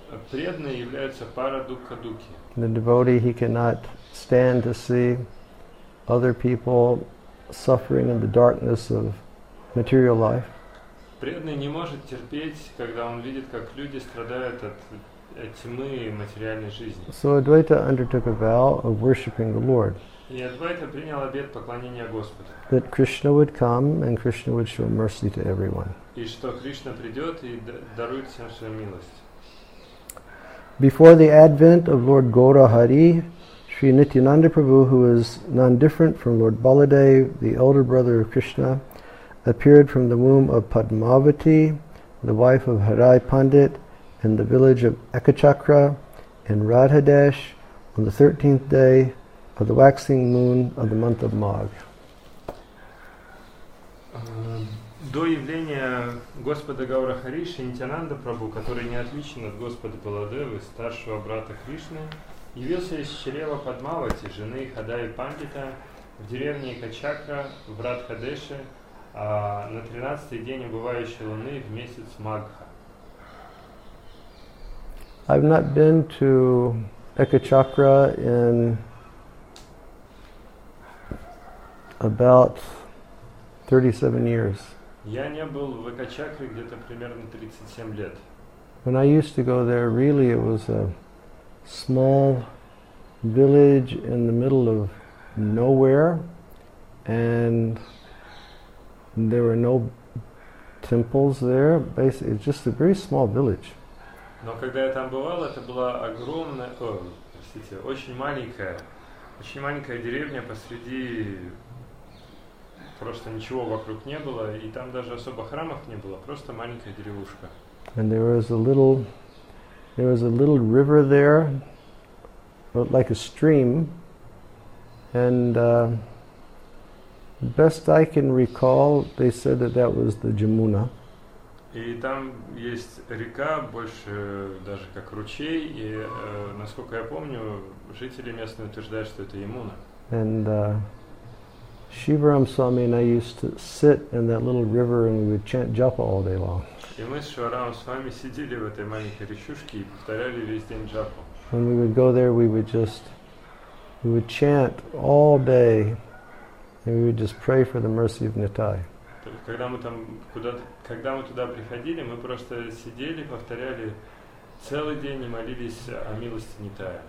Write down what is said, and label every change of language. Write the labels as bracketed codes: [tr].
[ru] Преданный является Парадукадуки. [en] The devotee, he cannot stand to see other people suffering in the darkness of material life. [ru] Преданный не может терпеть, когда он видит, как люди страдают от тьмы материальной жизни. [en] So Advaita undertook a vow of worshiping the Lord. [ru] И Адвайта принял обет поклонения Господу. [en] That Krishna would come and Krishna would show mercy to everyone. [ru] И что Кришна придет и дарует всем свою милость. [en] Before the advent of Lord Gaura Hari, Sri Nityananda Prabhu, who is none different from Lord Baladev, the elder brother of Krishna, appeared from the womb of Padmavati, the wife of Harai Pandit, in the village of Ekachakra, in Radhadesh, on the 13th day of the waxing moon of the month of Magh. [ru] До явления Господа Гаура Хари, Шри Нитянанда Прабху, который не отличен от Господа Баладевы, старшего брата Кришны, явился из чрева Падмавати, жены Хадаи Пандита, в деревне Качакра, в Радхадеше, на 13-й день убывающей луны в месяц Магха. [en] I've not been to Ekachakra in about 37 years. [ru] Я не был в Экачакре где-то примерно 37 лет. [en] When I used to go there, really it was a small village in the middle of nowhere, and there were no temples there. Basically, it's just a very small village. [ru] Но когда я там бывал, это была огромная, очень маленькая деревня посреди. Просто ничего вокруг не было, и там даже особо храмов не было. Просто маленькая деревушка. [en] And there was a little river there. Like a stream, and best I can recall, they said that was the Jamuna. [ru] И там есть река больше даже как ручей, и насколько я помню, жители местные утверждают, что это Ямуна. [en] And Shivaram Swami and I used to sit in that little river and we would chant japa all day long. [ru] И мы с Шиварамом Свами сидели в этой маленькой речушке и повторяли весь день джапу. [en] When we would go there, we would just We would chant all day, and we would just pray for the mercy of Nitai. [ru] Когда мы туда приходили, мы просто сидели, повторяли целый день и молились о милости Нитая.